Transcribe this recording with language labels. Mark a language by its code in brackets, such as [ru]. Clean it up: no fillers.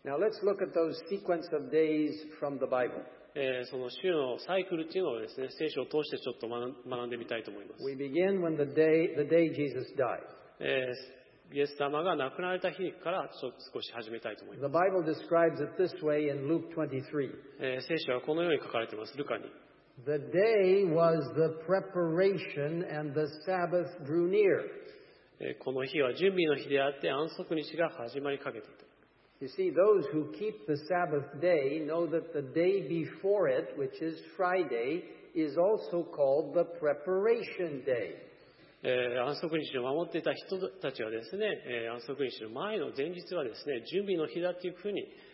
[en] Now let's look at those sequence of days from the Bible. [ja] その週のサイクルというのをですね、聖書を通してちょっと学んでみたいと思います。 [en] We begin when the day Jesus died. [ja] イエス様が亡くなられた日からちょっと少し始めたいと思います。 [en] The Bible describes it this way in Luke 23. [ja] 聖書はこのように書かれています、ルカに。 [en] The day was the preparation and the Sabbath drew near. [ja] この日は準備の日であって、安息日が始まりかけていた。 [en] You see, those who keep the Sabbath day know that the day before it, which is Friday, is also called the preparation day. [ja] 安息日を守っていた人たちはですね、安息日の前の前日はですね、準備の日だというふうに、